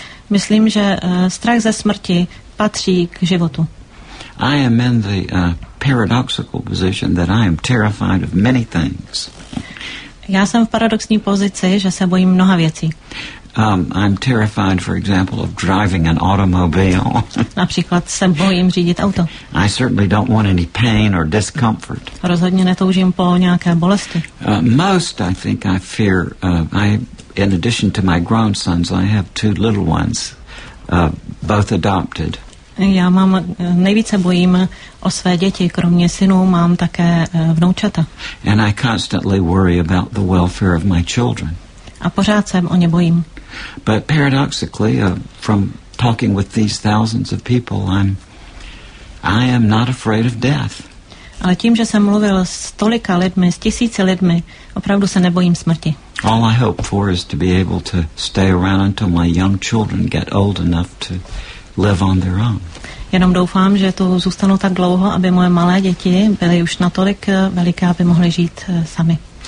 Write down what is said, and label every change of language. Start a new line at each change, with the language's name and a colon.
Czech: Myslím, že strach ze smrti patří k životu.
English: I am in the paradoxical position that I am terrified of many things.
Czech: Já jsem v paradoxní pozici, že se bojím mnoha věcí.
English: I'm terrified, for example, of driving an automobile.
Czech: Například se bojím řídit auto.
English: I certainly don't want any pain or discomfort.
Czech: Rozhodně netoužím po nějaké bolesti.
English: Most, I think, I fear. In addition to my grown sons, I have two little ones, both adopted.
Czech: Já mám nejvíce bojím o své děti. Kromě synů mám také vnoučata.
English: And I constantly worry about the welfare of my children.
Czech: A pořád se o ně bojím.
English: But paradoxically, from talking with these thousands of people, I am not afraid of death.
Czech: Ale tím, že jsem mluvil s tolika lidmi, s tisíci lidmi, opravdu se nebojím smrti.
English: All I hope for is to be able to stay around until my young children get old enough to live on their own.
Czech: Jenom doufám, že tu zůstanu tak dlouho, aby moje malé děti byly už natolik veliké, aby mohly žít sami.